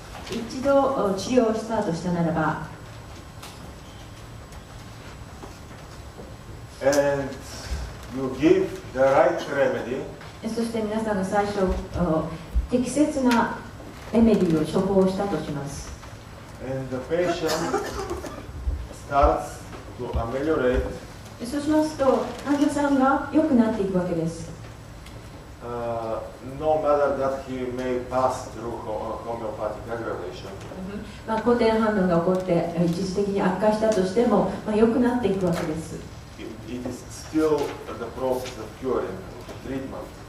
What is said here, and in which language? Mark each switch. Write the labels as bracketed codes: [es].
[ja] 一度治療をスタートしたならば、 [en] And you give the right remedy, [ja] そして皆さんが最初、適切なレメディを処方したとします。 [en] And the patient starts to ameliorate. [ja] そうしますと、患者さんが良くなっていくわけです。 [en] No matter that he may pass through homeopathic aggravation. [ja] 抗体反応が起こって一時的に悪化したとしても、良くなっていくわけです。 [en] It is still the process of curing, treatment.